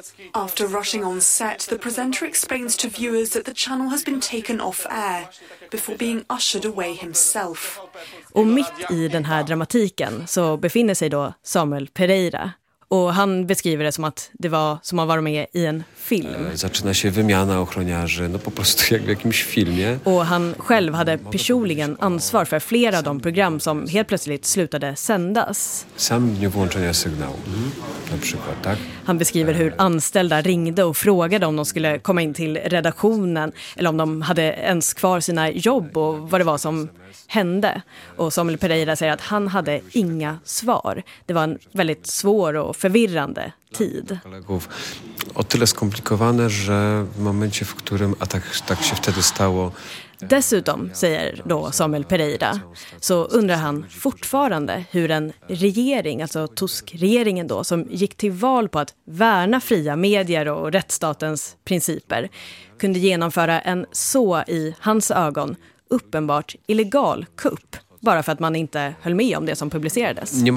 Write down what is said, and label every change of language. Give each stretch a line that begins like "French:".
English: After rushing on set, the presenter explains to viewers that the channel has been taken off air before being ushered away himself.
Swedish: Och mitt i den här dramatiken så befinner sig då Samuel Pereira. Och han beskriver det som att det var som att vara med i en film.
Polish: Zaczyna się wymiana ochroniarzy, no po prostu jak w jakimś filmie.
Swedish: Och han själv hade personligen ansvar för flera av de program som helt plötsligt slutade sändas.
Polish: Sam nie włączenia sygnału, na przykład, tak?
Swedish: Han beskriver hur anställda ringde och frågade om de skulle komma in till redaktionen eller om de hade ens kvar sina jobb och vad det var som hände. Och Samuel Pereira säger att han hade inga svar. Det var en väldigt svår och förvirrande tid.
Polish: O tyle skomplikowane, że w momencie, w którym tak się wtedy stało.
Swedish: Dessutom, säger då Samuel Pereira, så undrar han fortfarande hur en regering, alltså Tusk-regeringen då, som gick till val på att värna fria medier och rättsstatens principer, kunde genomföra en så i hans ögon uppenbart illegal kupp bara för att man inte höll med om det som publicerades.